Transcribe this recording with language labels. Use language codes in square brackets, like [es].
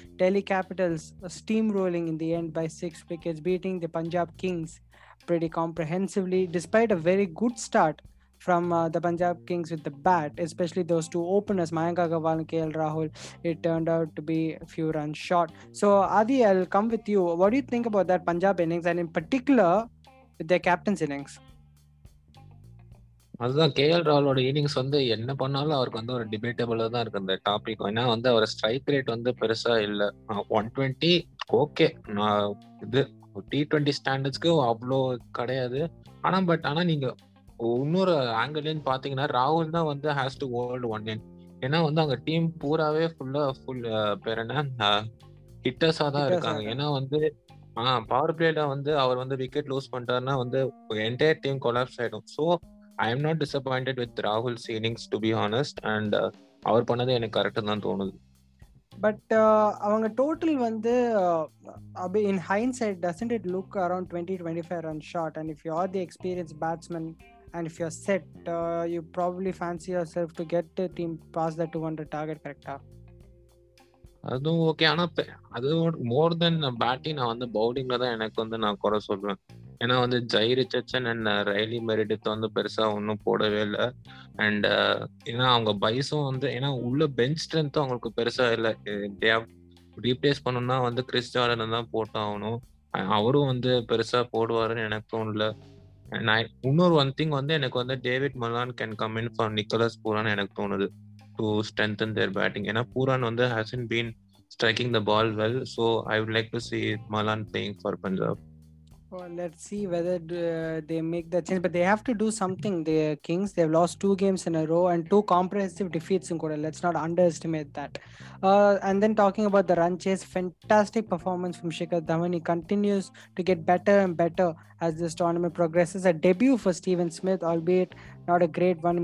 [en] Delhi Capitals steamrolling in the end by 6 wickets, beating the Punjab Kings pretty comprehensively, despite a very good start from the Punjab Kings with the bat, especially those two openers, Mayank Agarwal and KL Rahul. It turned out to be a few runs short. So, Adi, I'll come with you. What do you think about that Punjab innings and in particular with their captain's innings? [ta] அதுதான் K L ராவலோட innings வந்து என்ன பண்ணாலும் அவருக்கு வந்து ஒரு டிபேட்டபிளாக தான் இருக்கு அந்த டாபிக். ஏன்னா வந்து அவர் ஸ்ட்ரைக் ரேட் வந்து பெருசா இல்லை, 120 ஓகே, இது T20 ஸ்டாண்டர்ட்ஸ்க்கு அவ்வளோ கிடையாது. ஆனால் நீங்க இன்னொரு ஆங்கிள்னு பாத்தீங்கன்னா ராகுல் தான் வந்து [en] Has to hold 1 in. [ta] ஏன்னா வந்து அவங்க டீம் பூராவே ஃபுல் பேரன்னா ஹிட்டர்ஸா தான் இருக்காங்க. ஏன்னா வந்து பவர் பிளேல வந்து அவர் வந்து விக்கெட் லூஸ் பண்ணிட்டாருன்னா வந்து என்டையர் டீம் கொலாப்ஸ் ஆயிடும். [en] so I am not disappointed with Rahul's innings, to be honest, and [ta] avar pannadhu enak correct dhaan thonudhu. [en] But [ta] avanga total vandu [en] in hindsight, doesn't it look around 20-25 runs short? And if you are the experienced batsman and if you're set, you probably fancy yourself to get the team past the 200 target, correct? [ta] அது okay, ஆனா அது மோர் தென் batting நான் வந்து பவுலிங்ல தான் எனக்கு வந்து நான் குறை சொல்றேன். ஏன்னா வந்து Jai Richardson and Riley Meredith வந்து பெருசா ஒன்னும் போடவே இல்லை. அண்ட் ஏன்னா அவங்க பைஸும் வந்து ஏன்னா உள்ள பெஞ்ச் ஸ்ட்ரென்த்தும் அவங்களுக்கு பெருசா இல்லை. ரீப்ளேஸ் பண்ணணும்னா வந்து கிறிஸ் ஜார்டன் தான் போட்டாகணும், அவரும் வந்து பெருசா போடுவாருன்னு எனக்கும் இல்லை. அண்ட் இன்னொரு ஒன் திங் வந்து எனக்கு வந்து David Malan [en] can come in for [ta] Nicolas பூரான்னு எனக்கு தோணுது. [en] To strengthen their batting. And Puran on the hasn't been striking the ball well. So, I would like to see Malan playing for Punjab. Well, let's see whether they make that change. But they have to do something. The Kings, they've lost 2 games in a row and 2 comprehensive defeats in Kodal. Let's not underestimate that. And then talking about the run chase, fantastic performance from Shikhar Dhawan. He continues to get better and better as this tournament progresses. A debut for Stephen Smith, albeit not a great one.